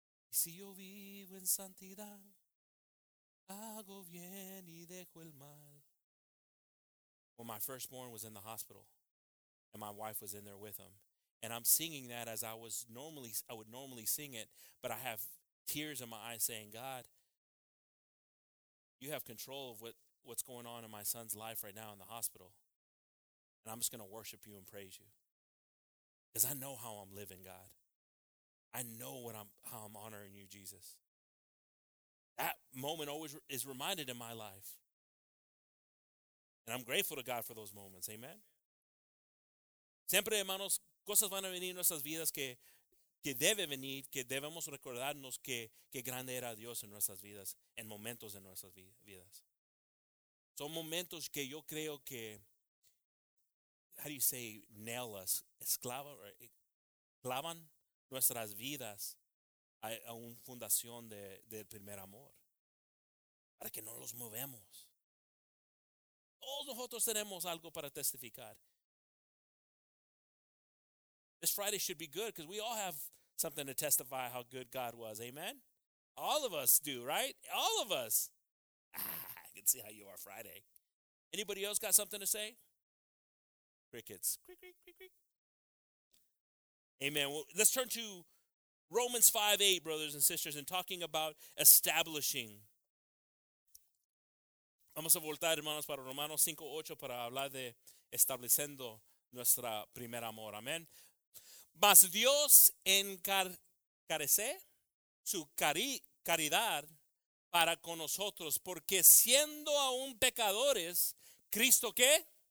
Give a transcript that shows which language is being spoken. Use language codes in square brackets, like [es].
[es] Y si yo vivo en santidad, hago bien y dejo el mal. [en] When my firstborn was in the hospital and my wife was in there with him. And I'm singing that as I would normally sing it, but I have tears in my eyes saying, God, you have control of what's going on in my son's life right now in the hospital. And I'm just going to worship you and praise you. Because I know how I'm living, God. I know how I'm honoring you, Jesus. That moment always is reminded in my life. And I'm grateful to God for those moments. Amen. [es] Siempre, hermanos, cosas van a venir en nuestras vidas que debe venir, que debemos recordarnos que grande era Dios en nuestras vidas, en momentos de nuestras vidas. Son momentos que yo creo que, [en] how do you say, nail us, [es] clavan nuestras vidas a un fundación del primer amor, para que no los movemos. Todos nosotros tenemos algo para testificar. [en] This Friday should be good because we all have something to testify how good God was. Amen? All of us do, right? All of us. I can see how you are Friday. Anybody else got something to say? Crickets. Creak, creak, creak, creak. Amen. Well, let's turn to Romans 5:8, brothers and sisters, and talking about establishing. [es] Vamos a voltar, hermanos, para Romanos 5:8 para hablar de estableciendo nuestra primer amor. Amén. Mas Dios encarece su caridad para con nosotros, porque siendo aún pecadores, ¿Cristo qué?